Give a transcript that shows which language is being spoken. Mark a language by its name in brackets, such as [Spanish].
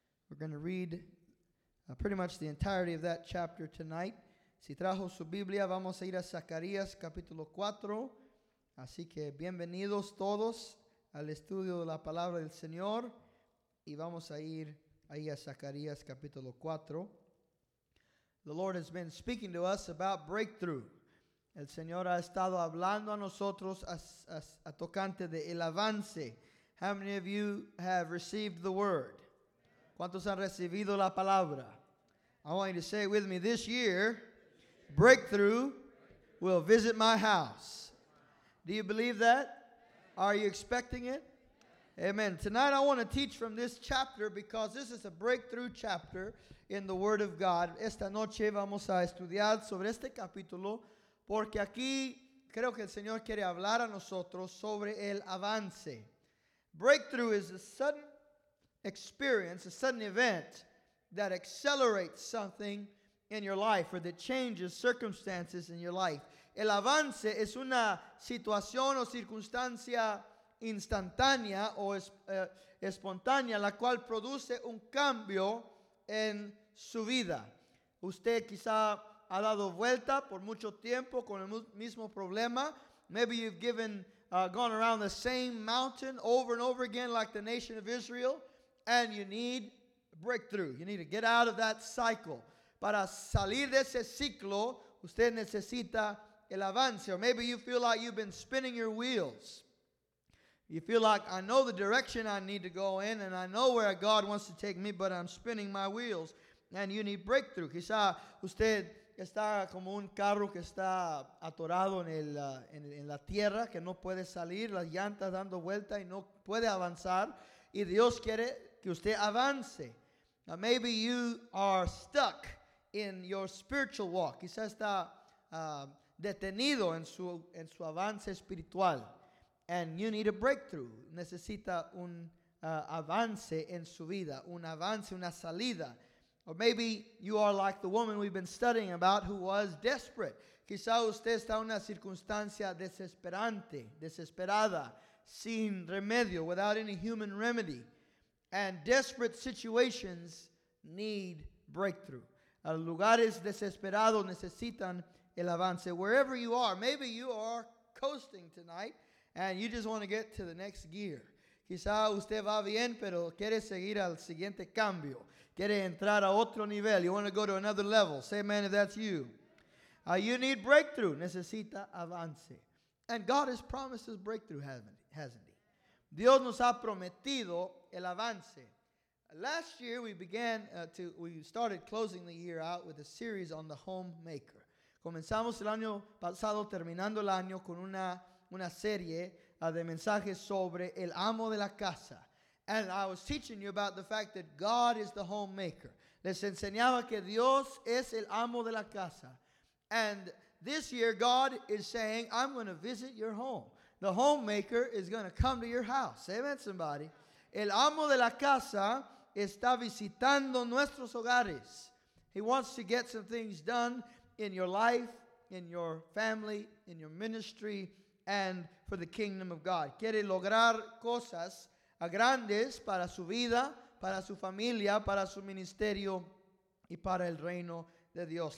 [English] We're going to read pretty much the entirety of that chapter tonight. [Spanish] Si trajo su Biblia, vamos a ir a Zacarías capítulo 4. Así que bienvenidos todos al estudio de la palabra del Señor. Y vamos a ir ahí a Zacarías capítulo 4. [English] The Lord has been speaking to us about breakthrough. [Spanish] El Señor ha estado hablando a nosotros a tocante de el avance. [English] How many of you have received the word? [Spanish] ¿Cuántos han recibido la palabra? [English] I want you to say it with me. This year, breakthrough will visit my house. Do you believe that? Are you expecting it? Amen. Tonight I want to teach from this chapter because this is a breakthrough chapter in the word of God. [Spanish] Esta noche vamos a estudiar sobre este capítulo. Porque aquí creo que el Señor quiere hablar a nosotros sobre el avance. [English] Breakthrough is a sudden experience, a sudden event that accelerates something in your life or that changes circumstances in your life. [Spanish] El avance es una situación o circunstancia instantánea o espontánea la cual produce un cambio en su vida. Usted quizá ha dado vuelta por mucho tiempo con el mismo problema. [English] Maybe you've gone around the same mountain over and over again like the nation of Israel, and you need breakthrough. You need to get out of that cycle. [Spanish] Para salir de ese ciclo, usted necesita el avance. [English] Or maybe you feel like you've been spinning your wheels. You feel like, I know the direction I need to go in, and I know where God wants to take me, but I'm spinning my wheels, and you need breakthrough. [Spanish] Quizá usted está como un carro que está atorado en la tierra, que no puede salir, las llantas dando vuelta y no puede avanzar. Y Dios quiere que usted avance. [English] Now, maybe you are stuck in your spiritual walk. [Spanish] Quizá está detenido en su avance espiritual. [English] And you need a breakthrough. [Spanish] Necesita un avance en su vida, un avance, una salida. [English] Or maybe you are like the woman we've been studying about who was desperate. [Spanish] Quizá usted está en una circunstancia desesperante, desesperada, sin remedio, [English] without any human remedy. And desperate situations need breakthrough. [Spanish] Lugares desesperados necesitan el avance. [English] Wherever you are, maybe you are coasting tonight and you just want to get to the next gear. [Spanish] Quizá usted va bien, pero quiere seguir al siguiente cambio. Quiere entrar a otro nivel. [English] You want to go to another level. Say amen if that's you. You need breakthrough. [Spanish] Necesita avance. [English] And God has promised us breakthrough, hasn't he? [Spanish] Dios nos ha prometido el avance. [English] Last year we started closing the year out with a series on the homemaker. [Spanish] Comenzamos el año pasado, terminando el año, con una serie de mensajes sobre el amo de la casa. [English] And I was teaching you about the fact that God is the homemaker. [Spanish] Les enseñaba que Dios es el amo de la casa. [English] And this year, God is saying, I'm going to visit your home. The homemaker is going to come to your house. Amen, somebody. [Spanish] El amo de la casa está visitando nuestros hogares. [English] He wants to get some things done in your life, in your family, in your ministry, and for the kingdom of God. [Spanish] Quiere lograr cosas a grandes para su vida, para su familia, para su ministerio y para el reino de Dios.